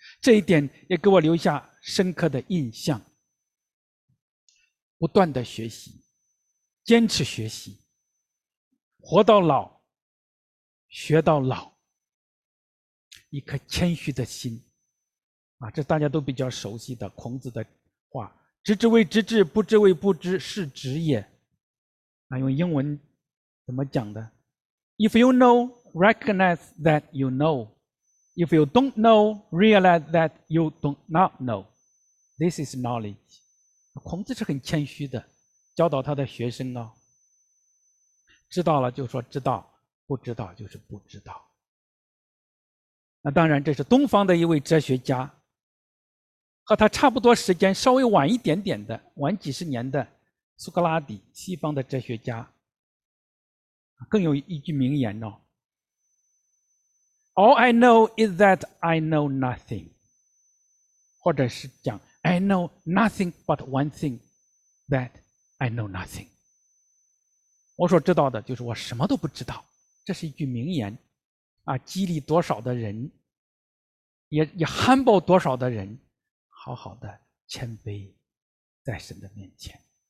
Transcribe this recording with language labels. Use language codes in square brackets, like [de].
[zh] 这一点也给我留下深刻的印象，不断的学习，坚持学习，活到老学到老，一颗谦虚的心啊，这大家都比较熟悉的孔子的话，知之为知之，不知为不知，是知也。那用英文怎么讲的？ [en] If you know, recognize that you know. If you don't know, realize that you do not know. This is knowledge. [zh] 孔子是很谦虚的，教导他的学生哦。知道了就说知道，不知道就是不知道。那当然，这是东方的一位哲学家。和他差不多时间，稍微晚一点点的，晚几十年的苏格拉底，西方的哲学家，更有一句名言哦 ： [en] “All I know is that I know nothing。” [zh] 或者是讲 [en] ：“I know nothing but one thing, that I know nothing。” [zh] 我所知道的就是我什么都不知道，这是一句名言啊！激励多少的人，也 humble 多少的人。好好的谦卑在神的面前。